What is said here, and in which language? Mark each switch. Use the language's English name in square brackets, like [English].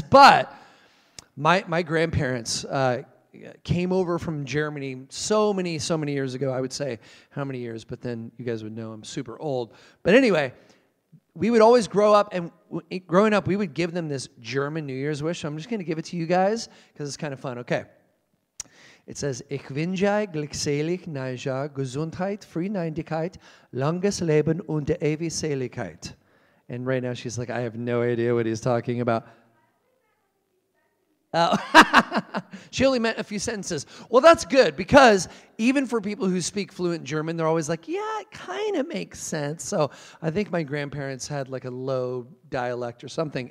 [English] But my grandparents came over from Germany so many years ago. I would say how many years, but then you guys would know I'm super old. But anyway, we would always grow up, and growing up, we would give them this German New Year's wish. So I'm just going to give it to you guys because it's kind of fun. Okay. It says, [German] Ich wünsche glückselig, neue Gesundheit, Freundlichkeit, langes Leben und ewige Seligkeit. [English] And right now she's like, I have no idea what he's talking about. She only meant a few sentences. Well, that's good, because even for people who speak fluent German, they're always like, yeah, it kind of makes sense. So I think my grandparents had like a low dialect or something.